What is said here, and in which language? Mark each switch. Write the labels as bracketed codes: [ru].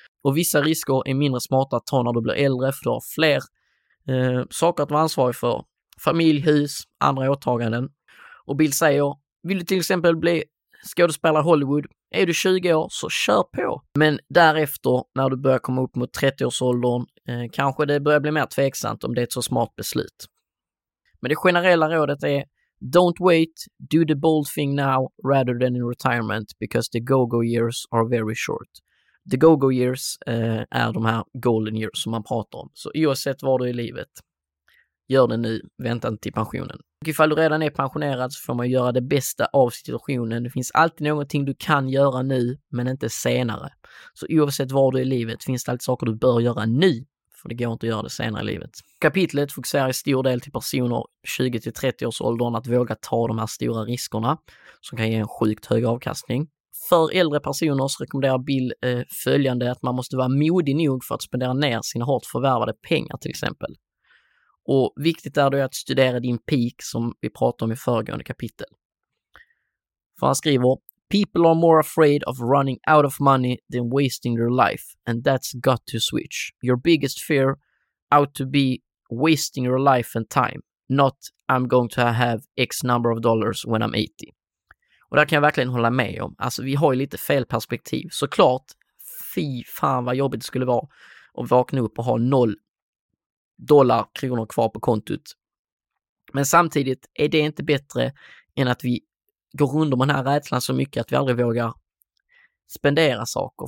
[sv] Och vissa risker är mindre smarta att ta när du blir äldre, för du har fler saker att vara ansvarig för. Familj, hus, andra åtaganden. Och Bill säger, vill du till exempel bli skådespelare i Hollywood, är du 20 år, så kör på. Men därefter, när du börjar komma upp mot 30-årsåldern, kanske det börjar bli mer tveksamt om det är ett så smart beslut. Men det generella rådet är: [en] don't wait, do the bold thing now rather than in retirement, because the go-go years are very short. The go-go years [sv] är de här golden years som man pratar om. Så oavsett var du i livet, gör det nu, vänta inte till pensionen. Och ifall du redan är pensionerad så får man göra det bästa av situationen. Det finns alltid någonting du kan göra nu, men inte senare. Så oavsett var du i livet finns det alltid saker du bör göra nu, för det går inte att göra det senare i livet. Kapitlet fokuserar i stor del till personer 20-30 års åldern att våga ta de här stora riskerna som kan ge en sjukt hög avkastning. För äldre personer så rekommenderar Bill följande: att man måste vara modig nog för att spendera ner sina hårt förvärvade pengar till exempel. Och viktigt är då att studera din peak som vi pratade om i föregående kapitel. För han skriver: [en] people are more afraid of running out of money than wasting their life, and that's got to switch. Your biggest fear ought to be wasting your life and time, not I'm going to have X number of dollars when I'm 80. [sv] Och där kan jag verkligen hålla med om. Alltså, vi har ju lite fel perspektiv. Såklart, fy fan vad jobbigt det skulle vara att vakna upp och ha noll dollar, kronor kvar på kontot. Men samtidigt, är det inte bättre än att vi går under den här rädslan så mycket att vi aldrig vågar spendera saker?